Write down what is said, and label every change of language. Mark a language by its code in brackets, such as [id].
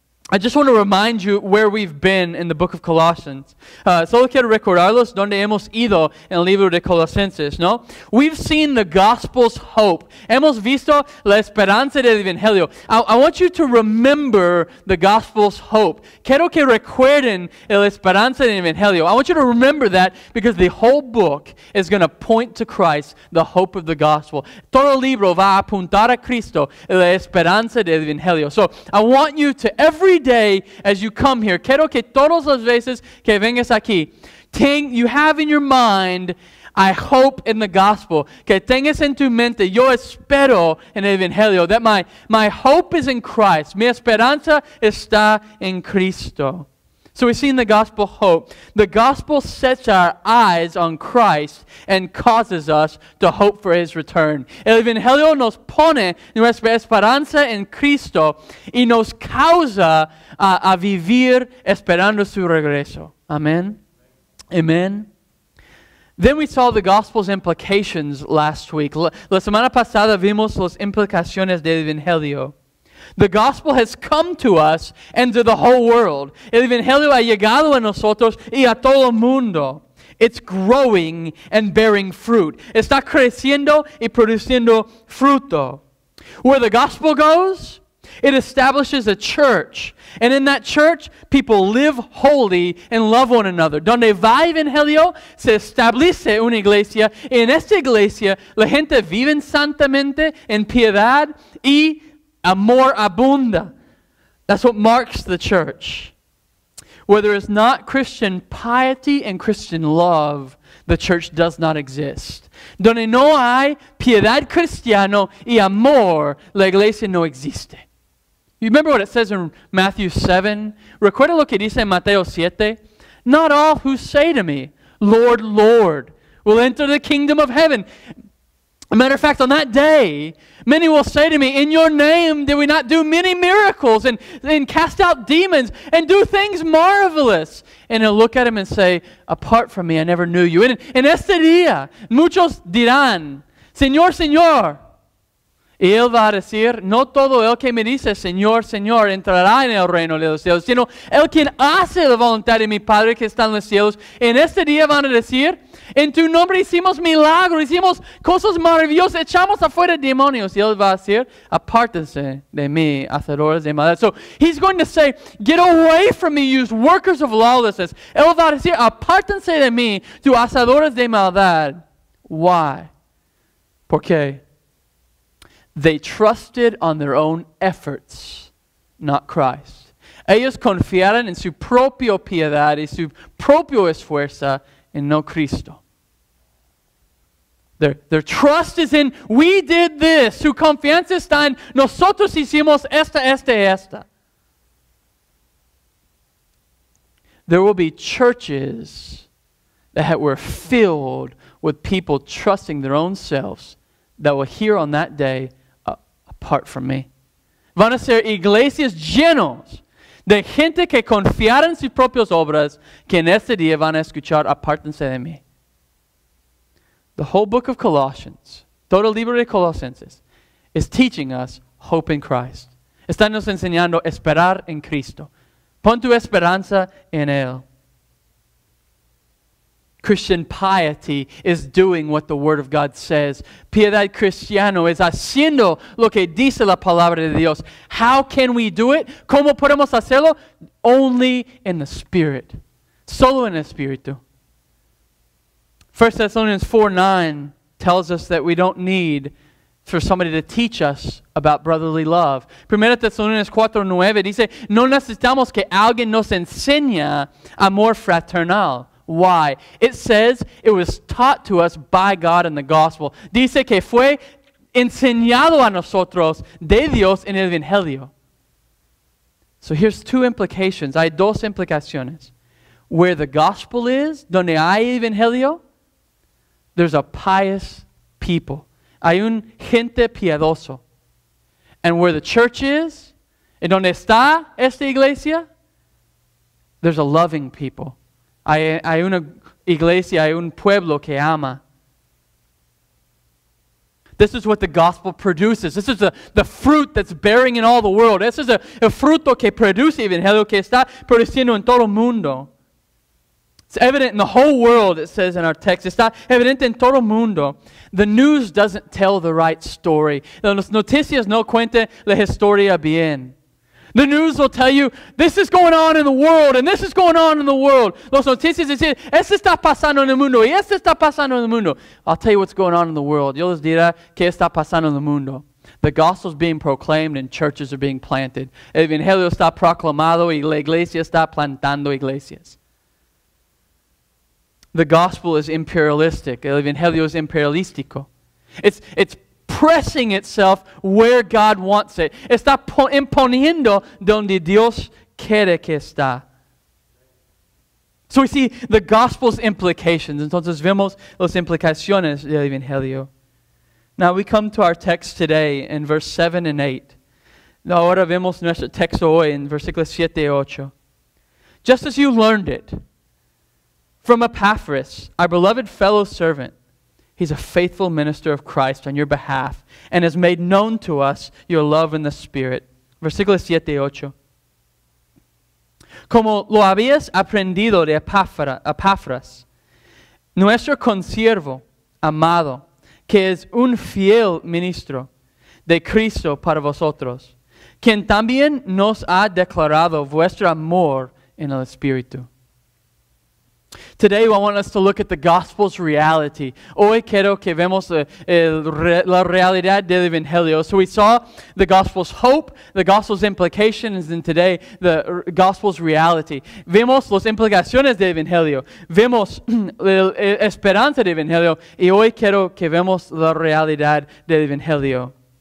[en] I just want to remind you where we've been in the book of Colossians. [es] Solo quiero recordarlos donde hemos ido en el libro de Colosenses, ¿no? [en] We've seen the gospel's hope. [es] Hemos visto la esperanza del evangelio. [en] I want you to remember the gospel's hope. [es] Quiero que recuerden la esperanza del evangelio. [en] I want you to remember that because the whole book is going to point to Christ, the hope of the gospel. [es] Todo el libro va a apuntar a Cristo, la esperanza del evangelio. [en] So I want you to, every day as you come here, [es] quiero que todas las veces que vengas aquí, [en] you have in your mind, I hope in the gospel. [es] Que tengas en tu mente, yo espero en el evangelio. [en] That my hope is in Christ. [es] Mi esperanza está en Cristo. [en] So we've seen the gospel hope. The gospel sets our eyes on Christ and causes us to hope for his return. [es] El evangelio nos pone nuestra esperanza en Cristo y nos causa a vivir esperando su regreso. Amen. Amen. [en] Then we saw the gospel's implications last week. [es] La semana pasada vimos las implicaciones del evangelio. [en] The gospel has come to us and to the whole world. [es] El evangelio ha llegado a nosotros y a todo el mundo. [en] It's growing and bearing fruit. [es] Está creciendo y produciendo fruto. [en] Where the gospel goes, it establishes a church. And in that church, people live holy and love one another. [es] Donde va el evangelio, se establece una iglesia. En esta iglesia, la gente vive santamente en piedad y amor abunda. [en] That's what marks the church. Where there is not Christian piety and Christian love, the church does not exist. [es] Donde no hay piedad cristiano y amor, la iglesia no existe. [en] You remember what it says in Matthew 7? [es] Recuerda lo que dice en Mateo 7? [en] Not all who say to me, Lord, Lord, will enter the kingdom of heaven. A matter of fact, on that day, many will say to me, in your name did we not do many miracles and cast out demons and do things marvelous? And he'll look at him and say, apart from me, I never knew you. [es] En este día, muchos dirán, Señor, Señor. Y él va a decir, no todo el que me dice, Señor, Señor, entrará en el reino de los cielos, sino el quien hace la voluntad de mi Padre que está en los cielos. En este día van a decir, en tu nombre hicimos milagros, hicimos cosas maravillosas, echamos afuera demonios. Y él va a decir, apártense de mí, hacedores de maldad. [en] So he's going to say, get away from me, you workers of lawlessness. [es] Él va a decir, apártense de mí, tu hacedores de maldad. [en] Why? [es] ¿Por qué? [en] They trusted on their own efforts, not Christ. [es] Ellos confiaron en su propia piedad y su propia esfuerza y no Cristo. [en] Their trust is in, we did this. [es] Su confianza está en, nosotros hicimos esta, esta, esta. [en] There will be churches that were filled with people trusting their own selves that will hear on that day, apart from me. [es] Van a ser iglesias llenos de gente que confiaron en sus propias obras que en este día van a escuchar, apártense de mí. [en] The whole book of Colossians, [es] todo el libro de Colosenses, [en] is teaching us hope in Christ. [es] Están nos enseñando esperar en Cristo. Pon tu esperanza en Él. [en] Christian piety is doing what the Word of God says. [es] Piedad cristiano es haciendo lo que dice la palabra de Dios. [en] How can we do it? [es] ¿Cómo podemos hacerlo? [en] Only in the Spirit. [es] Solo en el Espíritu. [en] 1 Thessalonians 4:9 tells us that we don't need for somebody to teach us about brotherly love. [es] 1 Thessalonians 4:9 dice, no necesitamos que alguien nos enseñe amor fraternal. [en] Why? It says it was taught to us by God in the gospel. [es] Dice que fue enseñado a nosotros de Dios en el Evangelio. [en] So here's two implications. [es] Hay dos implicaciones. [en] Where the gospel is, [es] donde hay Evangelio, [en] there's a pious people. [es] Hay un gente piadoso. [en] And where the church is, [es] en donde está esta iglesia, [en] there's a loving people. [es] Hay una iglesia, hay un pueblo que ama. [en] This is what the gospel produces. This is the fruit that's bearing in all the world. This is a [es] fruto que produce evangelio que está produciendo en todo el mundo. [en] It's evident in the whole world, it says in our text. [es] Está evidente en todo el mundo. [en] The news doesn't tell the right story. [es] Las noticias no cuentan la historia bien. [en] The news will tell you, this is going on in the world, and this is going on in the world. [es] Los noticias dicen, esto está pasando en el mundo, y esto está pasando en el mundo. [en] I'll tell you what's going on in the world. [es] Yo les dirá qué está pasando en el mundo. [en] The gospel is being proclaimed, and churches are being planted. [es] El evangelio está proclamado, y la iglesia está plantando iglesias. [en] The gospel is imperialistic. [es] El evangelio es imperialístico. [en] It's pressing itself where God wants it. [es] Está imponiendo donde Dios quiere que está. [en] So we see the gospel's implications. [es] Entonces vemos las implicaciones del evangelio. [en] Now we come to our text today in verse 7 and 8. [es] Ahora vemos nuestro texto hoy en versículos 7 y 8. [en] Just as you learned it from Epaphras, our beloved fellow servant, he's a faithful minister of Christ on your behalf and has made known to us your love in the Spirit. [es] Versículos 7 y 8. Como lo habías aprendido de Epaphras, nuestro consiervo amado, que es un fiel ministro de Cristo para vosotros, quien también nos ha declarado vuestro amor en el Espíritu. [en] Today, I want us to look at the gospel's reality. [es] Hoy quiero que vemos la realidad del evangelio. [en] So we saw the gospel's hope, the gospel's implications, and today, the gospel's reality. [es] Vemos las implicaciones del evangelio. Vemos la esperanza del evangelio. Y hoy quiero que vemos la realidad del evangelio.